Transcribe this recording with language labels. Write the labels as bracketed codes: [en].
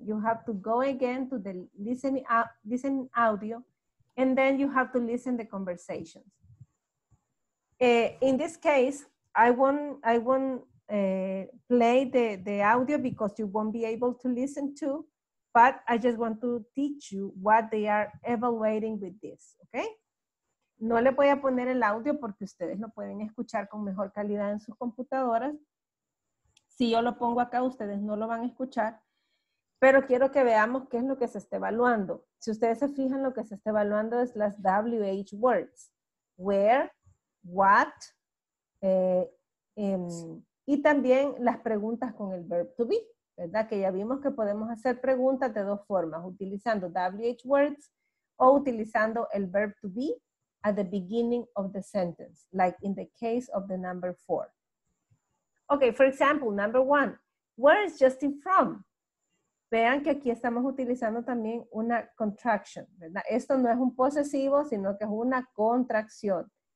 [en] You have to go again to the listening audio, and then you have to listen the conversations. In this case, I won't play the audio because you won't be able to listen to, but I just want to teach you what they are evaluating with this, okay? [es] No le voy a poner el audio porque ustedes lo pueden escuchar con mejor calidad en sus computadoras. Si yo lo pongo acá, ustedes no lo van a escuchar, pero quiero que veamos qué es lo que se está evaluando. Si ustedes se fijan, lo que se está evaluando es las WH words. [en] Where, what, [es] y también las preguntas con el verb to be, ¿verdad? Que ya vimos que podemos hacer preguntas de dos formas, utilizando WH words o utilizando el verb to be [en] at the beginning of the sentence, like in the case of the number four. Okay, for example, number one, where is Justin from? [es] Vean que aquí estamos utilizando también una contraction, ¿verdad? Esto no es un posesivo, sino que es una contracción.